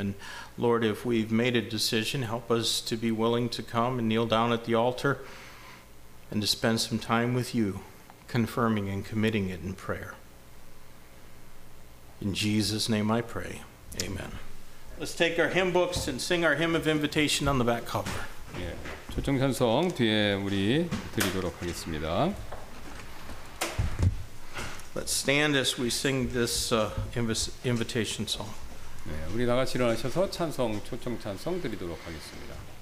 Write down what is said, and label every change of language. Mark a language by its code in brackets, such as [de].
[en] And Lord, if we've made a decision, help us to be willing to come and kneel down at the altar and to spend some time with you, confirming and committing it in prayer. In Jesus' name I pray, amen. Let's take our hymn books and sing our hymn of invitation on the back cover. [ko] 초청 찬송 뒤에 우리 드리도록 하겠습니다. [en] Let's stand as we sing this invitation song. [ko] 우리 다 같이 일어나셔서 찬송 초청 찬송 드리도록 하겠습니다.